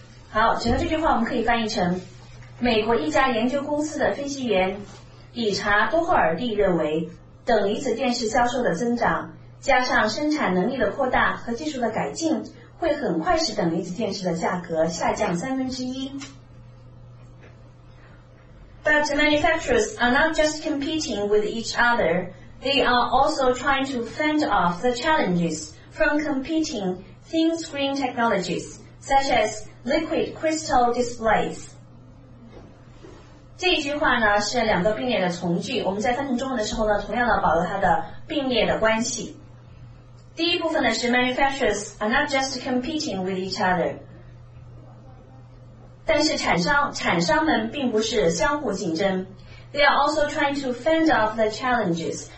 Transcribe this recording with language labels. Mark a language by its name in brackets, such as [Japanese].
[Chinese] 好，整个这句话我们可以翻译成美国一家研究公司的分析员理查多赫尔蒂认为，等离子电视销售的增长，加上生产能力的扩大和技术的改进，会很快使等离子电视的价格下降三分之一。 [English] But manufacturers are not just competing with each other, they are also trying to fend off the challenges from competing thin screen technologies, such as liquid crystal displays. [Chinese] 这一句话呢是两个并列的从句，我们在翻成中文的时候呢，同样的保留它的并列的关系。第一部分呢是 [English] manufacturers are not just competing with each other. [Chinese] 但是产商们并不是相互竞争。 [English] They are also trying to fend off the challenges.